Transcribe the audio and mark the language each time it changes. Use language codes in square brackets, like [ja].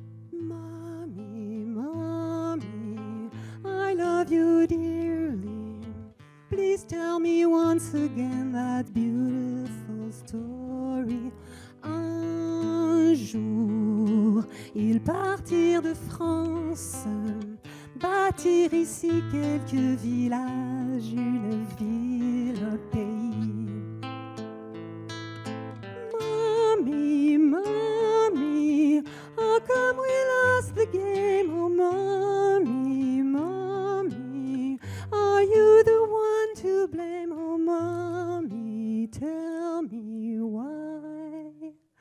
[en] Mommy, mommy, I love you dearly. Please tell me once again that beautiful story. [fr] Un jour, ils partirent de France, bâtir ici quelques villages, une ville, un pays. [en] Mommy, mommy, how come we lost the game? Oh, mommy, mommy, are you the one to blame? Oh, mommy, tell me why.